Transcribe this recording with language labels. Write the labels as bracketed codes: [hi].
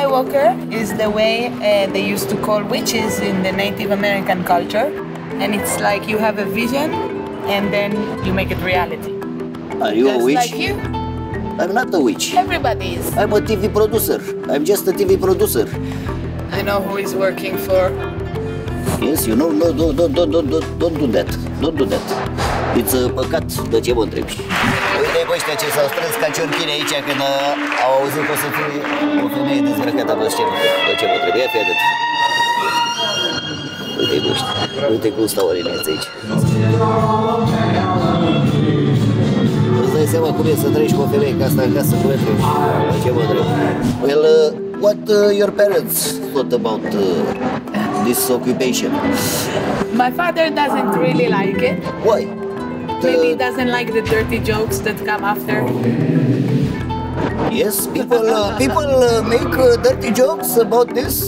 [en] Eyewalker is the way they used to call witches in the Native American culture, and it's like you have a vision and then you make it reality. Are you just a witch? Like you? I'm not a witch. Everybody is. I'm a TV producer. I'm just a TV producer. I know who is working for. Yes, you know, no, don't do that. Don't do that. It's a [ro] păcat, de ce mă întrebi? Uite, bă, ăștia ce s-au strâns ca ciorchine aici când au auzit că o să fie o femeie dezbrăcată pe scenă. De ce mă întrebi? Ia fi atât. Uite, bă, ăștia. Uite cum stau alineați aici. Îți dai seama cum e să treci cu o femeie ca asta acasă, cum e trebuie? De ce mă întrebi? [en] Well, what your parents thought about this occupation? My father doesn't really like it. Why? Maybe he doesn't like the dirty jokes that come after. Yes, people make dirty jokes about this.